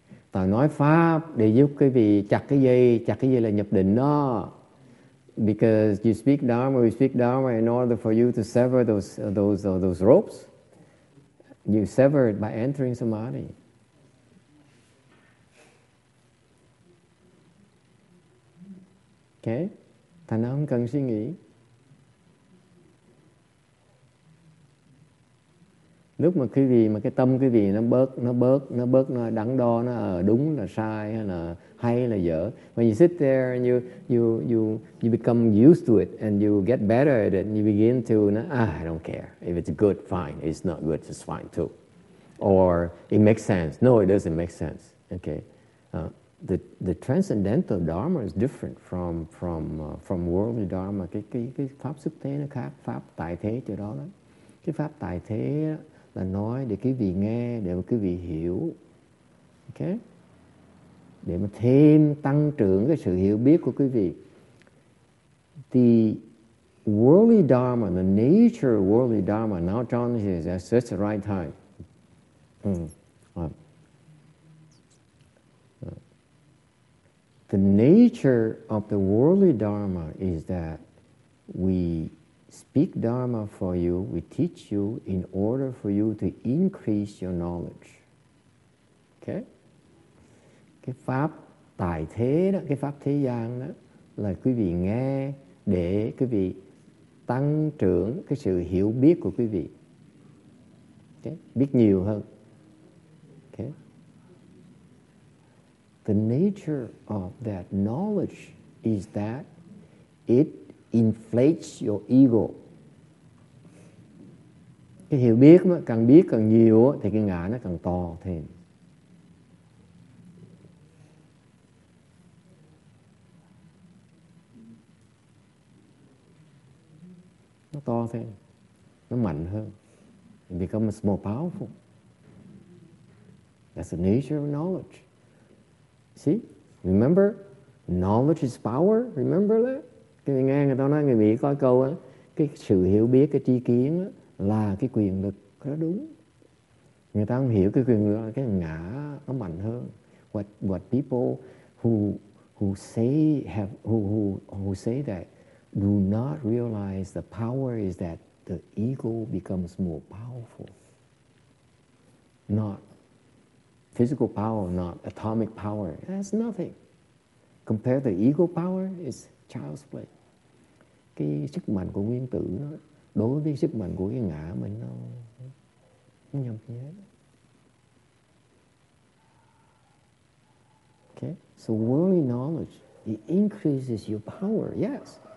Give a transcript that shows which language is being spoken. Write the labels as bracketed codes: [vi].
[vi] Tại nói Pháp để giúp quý vị chặt cái dây là nhập định đó. [en] Because you speak Dharma, we speak Dharma in order for you to sever those ropes. You sever it by entering samadhi. Okay? [vi] Thành ra không cần suy nghĩ. Lúc mà quý vị mà cái tâm quý vị nó bớt nó đắn đo, nó ở đúng là sai hay là dở. [en] When you sit there and you become used to it and you get better at it and you begin to I don't care if it's good, fine. If it's not good, it's fine too. Or it makes sense. No, it doesn't make sense. Okay. The transcendental dharma is different from worldly dharma. [vi] Cái pháp xuất thế nó khác, pháp tại thế chỗ đó đó. Cái pháp tại thế đó, là nói để quý vị nghe, để mà quý vị hiểu. Ok? Để mà thêm tăng trưởng cái sự hiểu biết của quý vị. [en] The worldly dharma, the nature of worldly dharma, now John says, at such the right time. The nature of the worldly dharma is that we speak Dharma for you, we teach you in order for you to increase your knowledge. Okay? [vi] Cái pháp tại thế đó, cái pháp thế gian đó, là quý vị nghe để quý vị tăng trưởng cái sự hiểu biết của quý vị. Okay? Biết nhiều hơn. Okay? [en] The nature of that knowledge is that it inflates your ego. [vi] Cái hiểu biết mà càng biết càng nhiều thì cái ngã nó càng to thêm. Nó to thêm. Nó mạnh hơn. [en] It becomes more powerful. That's the nature of knowledge. See? Remember? Knowledge is power. Remember that? [vi] Cái nghe người ta nói, người Mỹ có câu á, cái sự hiểu biết, cái tri kiến á, là cái quyền lực, đó đúng. Người ta không hiểu cái quyền lực, cái ngã nó mạnh hơn. [en] What people who say that do not realize the power is that the ego becomes more powerful. Not physical power, not atomic power. That's nothing. Compared to ego power, it's child's play. [vi] Cái sức mạnh của nguyên tử nó đối với sức mạnh của cái ngã mình nó nhầm nhé. [en] Okay, so worldly knowledge, it increases your power, yes.